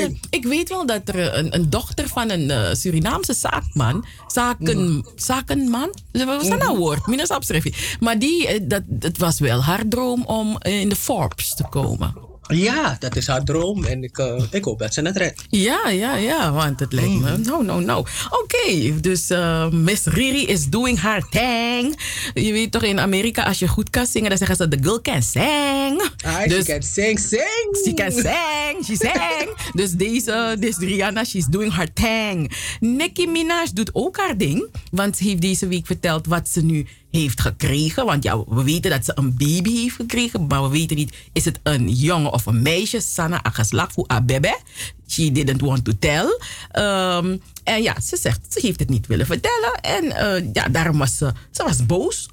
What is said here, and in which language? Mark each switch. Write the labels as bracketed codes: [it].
[nl] Ik weet wel dat er een dochter van een Surinaamse zaakman. Zakenman? Wat is dat nou woord? Minus abschrijfje. Maar die. Dat was wel haar droom om in de Forbes te komen. Ja, dat is haar droom. En ik hoop dat ze het redt. Ja, want het lijkt me. No. Oké, dus [en] Miss Riri is doing her thing. [nl] Je weet toch, in Amerika, als je goed kan zingen, dan zeggen ze, [en] the girl can sing. She can sing. [nl] Dus deze, [en] this Rihanna, she's doing her thing. [nl] Nicki Minaj doet ook haar ding, want ze heeft deze week verteld wat ze nu heeft gekregen, want ja, we weten dat ze een baby heeft gekregen, maar we weten niet, is het een jongen of een meisje? [en] Sana Agaslakfu Abebe. She didn't want to tell. [nl] En ja, ze zegt, ze heeft het niet willen vertellen. En ja, daarom was ze was boos.